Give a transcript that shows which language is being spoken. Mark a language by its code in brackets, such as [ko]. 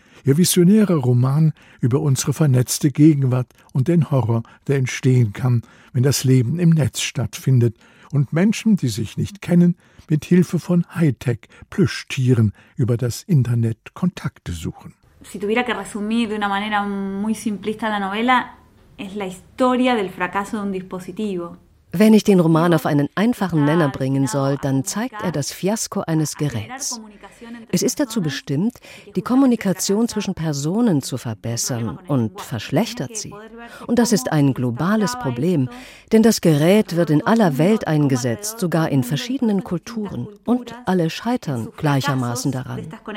[de] Ihr visionärer Roman über unsere vernetzte Gegenwart und den Horror, der entstehen kann, wenn das Leben im Netz stattfindet und Menschen, die sich nicht kennen, mit Hilfe von Hightech-Plüschtieren über das Internet Kontakte suchen. [es] Si tuviera que resumir de una manera muy simplista la novela, es la historia del fracaso de un dispositivo. [de] Wenn ich den Roman auf einen einfachen Nenner bringen soll, dann zeigt er das Fiasko eines Geräts. Es ist dazu bestimmt, die Kommunikation zwischen Personen zu verbessern und verschlechtert sie. Und das ist ein globales Problem, denn das Gerät wird in aller Welt eingesetzt, sogar in verschiedenen Kulturen, und alle scheitern gleichermaßen daran.